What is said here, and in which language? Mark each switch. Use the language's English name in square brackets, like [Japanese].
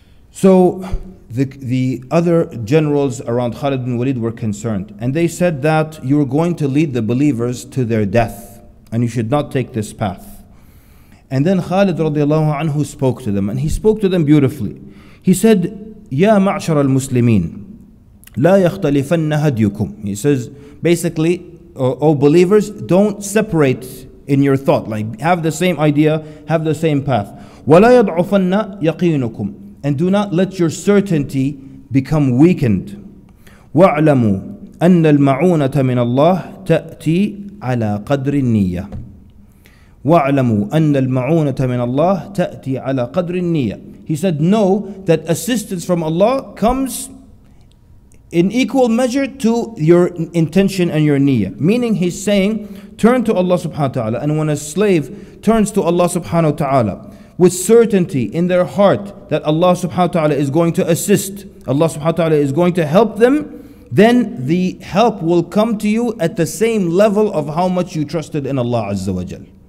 [English] So the other generals around Khalid bin Walid were concerned, and they said that you're going to lead the believers to their death, and you should not take this path. And then Khalid radiallahu anhu spoke to them, and he spoke to them beautifully. He said, [Arabic] يا معشر المسلمين لا يختلفن هديكم. [English] He says, basically, O believers, don't separate in your thought. Like, have the same idea, have the same path. [Arabic] ولا يضعفن يقينكم. [English] And do not let your certainty become weakened. [Arabic] واعلموا أن المعونة من الله تأتي على قدر النية. وَاعْلَمُوا أَنَّ الْمَعُونَةَ مِنَ اللَّهِ تَأْتِي عَلَىٰ قَدْرِ النِّيَّةِ. [English] He said, know that assistance from Allah comes in equal measure to your intention and your niyyah. Meaning he's saying, turn to Allah subhanahu wa ta'ala. And when a slave turns to Allah subhanahu wa ta'ala with certainty in their heart that Allah subhanahu wa ta'ala is going to assist, Allah subhanahu wa ta'ala is going to help them, then the help will come to you at the same level of how much you trusted in Allah azza wa jal.